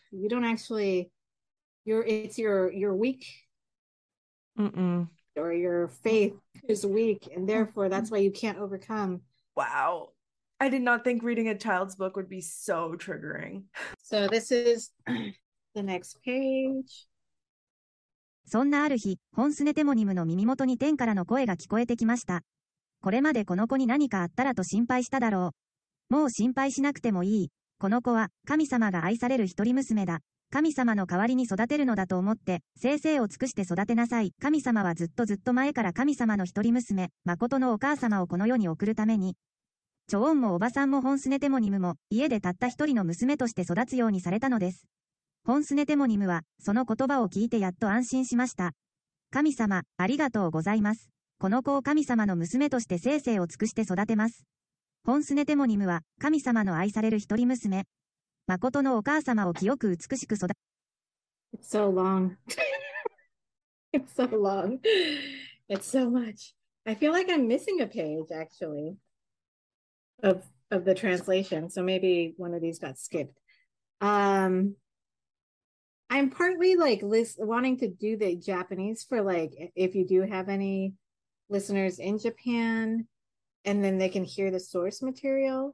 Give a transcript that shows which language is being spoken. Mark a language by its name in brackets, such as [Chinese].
[English] You don't actually you're it's your weak or your faith is weak, and therefore that's why you can't overcome. Wow. I did not think reading a child's book would be so triggering. So this is the next page. [Japanese] そんなある日、ホンスネテモニムの耳元に天からの声が聞こえてきました。これまでこの子に何かあったらと心配しただろう。もう心配しなくてもいい。この子は神様が愛される一人娘だ。神様の代わりに育てるのだと思って、精誠を尽くして育てなさい。神様はずっとずっと前から神様の一人娘、誠のお母様をこの世に送るために。チョオンもおばさんもホンスネテモニムも、家でたった一人の娘として育つようにされたのです。ホンスネテモニムは、その言葉を聞いてやっと安心しました。神様、ありがとうございます。この子を神様の娘として精誠を尽くして育てます。ホンスネテモニムは、神様の愛される一人娘。誠のお母様を清く美しく育て。 [English] It's so long. It's so long. It's so much. I feel like I'm missing a page, actually, of of the translation, so maybe one of these got skipped. I'm partly like wanting to do the Japanese for like if you do have any listeners in Japan, and then they can hear the source material.